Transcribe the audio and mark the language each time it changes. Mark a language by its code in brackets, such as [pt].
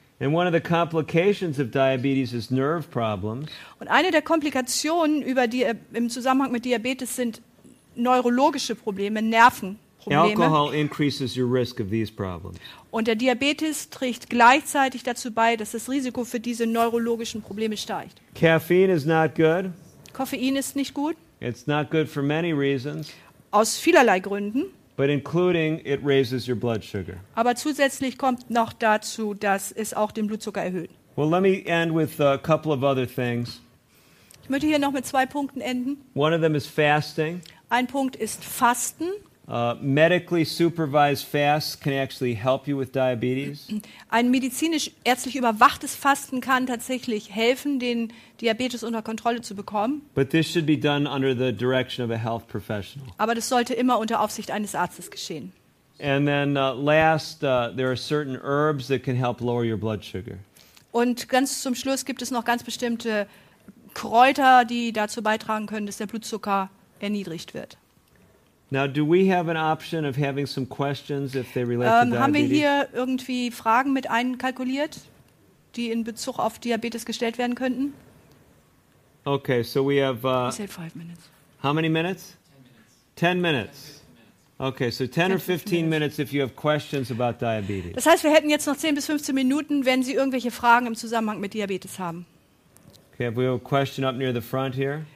[en] And one of the complications of diabetes is nerve problems. [de] Und eine der Komplikationen über die im Zusammenhang mit Diabetes sind neurologische Probleme, Nervenprobleme. [en] Alcohol increases your risk of these problems. [de] Und der Diabetes trägt gleichzeitig dazu bei, dass das Risiko für diese neurologischen Probleme steigt. [en] Caffeine is not good. [de] Koffein ist nicht gut. [en] It's not good for many reasons. [de] Aus vielerlei Gründen. [en] But including it raises your blood sugar. [de] Aber zusätzlich kommt noch dazu, dass es auch den Blutzucker erhöht. [en] Well, let me end with a couple of other things. [de] Ich möchte hier noch mit zwei Punkten enden. [en] One of them is fasting. [de] Ein Punkt ist Fasten. [en] Medically supervised fasts can actually help you with diabetes. [de] Ein medizinisch ärztlich überwachtes Fasten kann tatsächlich helfen, den Diabetes unter Kontrolle zu bekommen. [en] But this should be done under the direction of a health professional. [de] Aber das sollte immer unter Aufsicht eines Arztes geschehen. [en] And then there are certain herbs that can help lower your blood sugar. [de] Und ganz zum Schluss gibt es noch ganz bestimmte Kräuter, die dazu beitragen können, dass der Blutzucker erniedrigt wird. [en] Now, do we have an option of having some questions if they relate to diabetes? [de] Haben wir hier irgendwie Fragen mit einkalkuliert, die in Bezug auf Diabetes gestellt werden könnten? [en] Okay, so we have. I said 5 minutes. How many minutes? 10 minutes. 10 minutes. Okay, so 10 or 15 minutes if you have questions about diabetes. [de] Das heißt, wir hätten jetzt noch 10 bis 15 Minuten, wenn Sie irgendwelche Fragen im Zusammenhang mit Diabetes haben. [en] Okay, have we have a question up near the front here.